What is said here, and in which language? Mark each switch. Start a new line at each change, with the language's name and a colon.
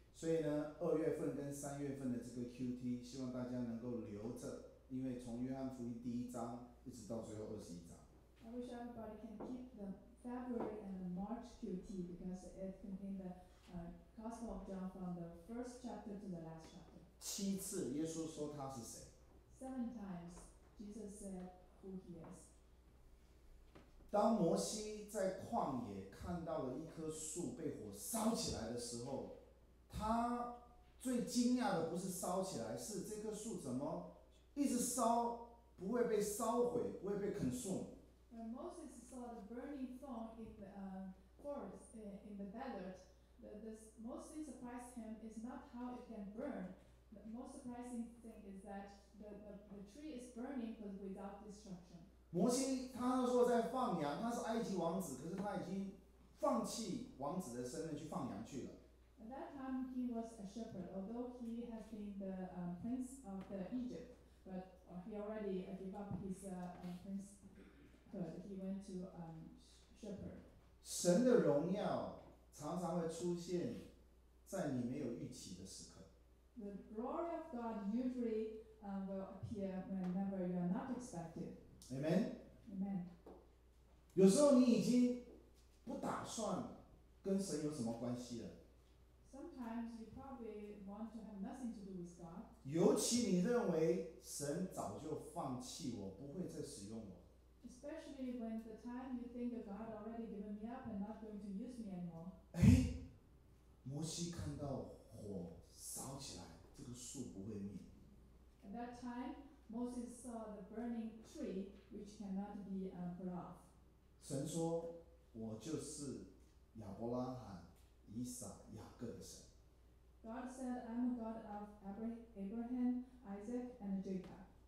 Chinese: 所以呢，二月份跟三月份的这个 QT， 希望大家能够留着。因为从约翰福音第一章一直到最后二十一章。
English: I wish everybody can keep the February and the March QT because it contains the Gospel of John from the first chapter to the last chapter.
Chinese: 七次耶稣说他是谁。
English: Seven times Jesus said who he is.
Chinese: 当摩西在旷野看到了一棵树被火烧起来的时候，他最惊讶的不是烧起来，是这棵树怎么一直烧，不会被烧毁，不会被consume。
English: When Moses saw the burning thorn in the forest, in the desert, the most surprising thing is not how it can burn. The most surprising thing is that the tree is burning but without destruction.
Chinese: 摩西他那时候在放羊，他是埃及王子，可是他已经放弃王子的身份去放羊去了。
English: At that time he was a shepherd, although he has been the prince of the Egypt. But he already gave up his princehood. He went to shepherd.
Chinese: 神的荣耀常常会出现在你没有预期的时刻。
English: The glory of God usually will appear whenever you are not expected. Amen. Amen.
Chinese: 有时候你已经不打算跟神有什么关系了。
English: Sometimes you probably want to have nothing to do with God.
Chinese: 尤其你认为神早就放弃我，不会再使用我。
English: Especially when the time you think God already given me up and not going to use me anymore.
Chinese: 摩西看到火烧起来，这个树不会灭。
English: At that time, Moses saw the burning tree which cannot be put off.
Chinese: 神说，我就是亚伯拉罕。以撒、雅各的神。
English: God said, "I'm a God of Abraham, Isaac, and Jacob."